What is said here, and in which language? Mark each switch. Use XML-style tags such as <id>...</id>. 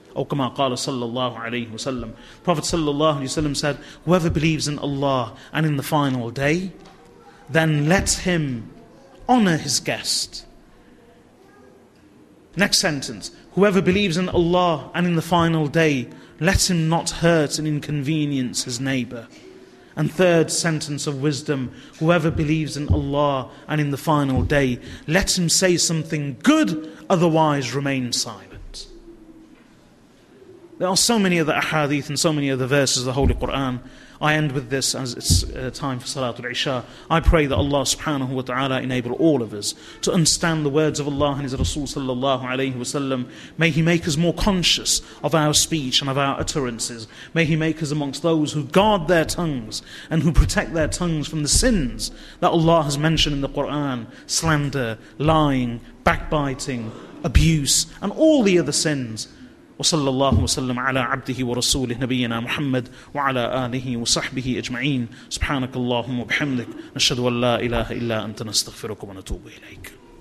<ar>Or كما قال صلى الله عليه وسلم.</ar> <en>Prophet صلى الله عليه وسلم said, whoever believes in Allah and in the final day, then let him honor his guest. Next sentence, whoever believes in Allah and in the final day, let him not hurt and inconvenience his neighbor. And third sentence of wisdom, whoever believes in Allah and in the final day, let him say something good, otherwise remain silent. There are so many other ahadith and so many other verses of the Holy Quran. I end with this as it's time for Salatul Isha. I pray that Allah subhanahu wa ta'ala enable all of us to understand the words of Allah and His Rasul sallallahu alayhi wa sallam. May He make us more conscious of our speech and of our utterances. May He make us amongst those who guard their tongues and who protect their tongues from the sins that Allah has mentioned in the Quran. Slander, lying, backbiting, abuse, and all the other sins.</en> <ar>وصلى الله وسلم على عبده ورسوله نبينا محمد وعلى آله وصحبه أجمعين سبحانك اللهم وبحمدك نشهد أن لا إله إلا أنت نستغفرك ونتوب إليك</ar>